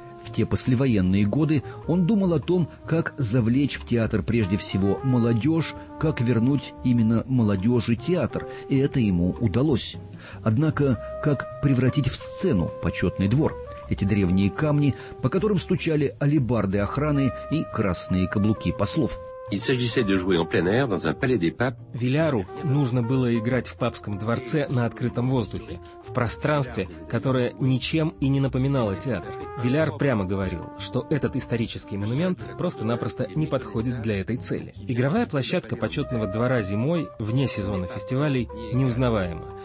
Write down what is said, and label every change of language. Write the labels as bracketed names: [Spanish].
[Russian] В те послевоенные годы он думал о том, как завлечь в театр прежде всего молодежь, как вернуть именно молодежи театр, и это ему удалось. Однако, как превратить в сцену почетный двор? Эти древние камни, по которым стучали алебарды охраны и красные каблуки послов. [French] Il s'agissait de jouer en plein air dans un palais des papes. [Russian] Виляру нужно было играть в папском дворце на открытом воздухе, в пространстве, которое ничем и не напоминало театр. Виляр прямо говорил, что этот исторический монумент просто-напросто не подходит для этой цели. Игровая площадка почетного двора зимой, вне сезона фестивалей, неузнаваема.